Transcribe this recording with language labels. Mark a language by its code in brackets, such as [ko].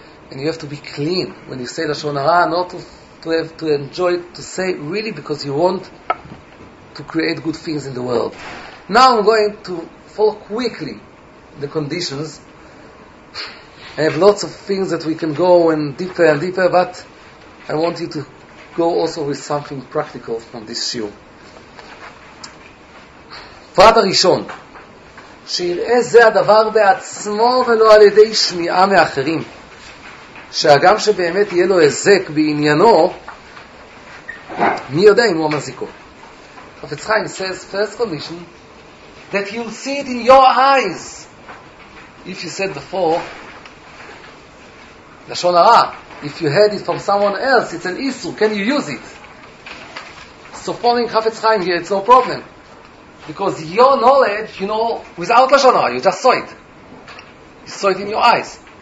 [en] And you have to be clean when you say Lashon Hara, not to have to enjoy it, to say really because you want to create good things in the world. Now I'm going to follow quickly the conditions. I have lots of things that we can go and deeper, but I want you to go also with something practical from this shiur. [he] פרט הראשון, שיראה זה הדבר בעצמו ולא על ידי שמיעה מאחרים, שהגם שבאמת יהיה לו הזק בעניינו, מי יודע אם הוא המזיקו. [en] חפץ חיים says, first condition, that you'll see it in your eyes. If you said before, לשון הרע, if you heard it from someone else, it's an issue, can you use it? So following חפץ חיים here, it's no problem. Because your knowledge, you know, without Lashon Hara, you just saw it. You saw it in your eyes.